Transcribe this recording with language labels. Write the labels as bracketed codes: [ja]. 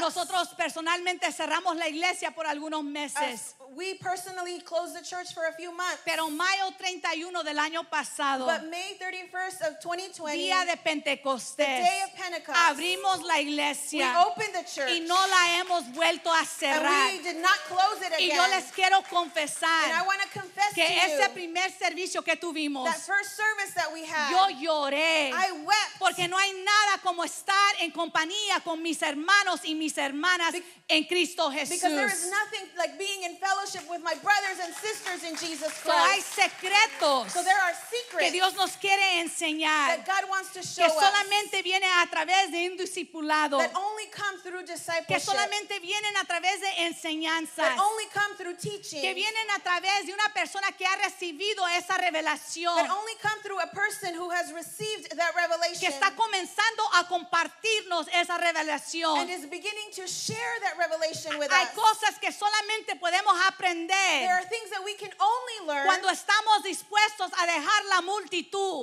[es] Nosotros personalmente cerramos la iglesia por algunos meses. [en] We personally closed the church for a few months. [es] Pero mayo 31 del año pasado, [en] but May 31st of 2020, [es] día de Pentecostés, [en] the day of Pentecost, [es] abrimos la iglesia, [en] we opened the church, [es] y no la hemos vuelto a cerrar, [en] and we did not close it again. [es] Y yo les quiero confesar, [en] and I want to confess [es] que [en] to [es] ese [en] you, [es] primer servicio que tuvimos, [en] that first service that we had, [es] yo lloré, [en] I wept, [es] porque no hay nada como estar en compañía con mis hermanos y mis hermanas en Cristo Jesús, [en] because there is nothing like being in fellowship with my brothers and sisters in Jesus Christ. [es] So hay secretos, [en] so there are secrets, [es] que Dios nos quiere enseñar, [en] that God wants to show [es] que solamente viene a través de un discipulado, [en] that only come through discipleship, [es] que solamente vienen a través de enseñanzas, [en] that only come through teaching, [es] que vienen a través de una persona que ha recibido esa revelación, [en] that only come through a person who has received that revelation, [es] que está comenzando a compartirnos esa revelación, [en] and is beginning to share that revelation with [es] hay [en] us. [es] Cosas que solamente podemos aprender, [en] there are things that we can only learn, [es] cuando estamos dispuestos a dejar la multitud,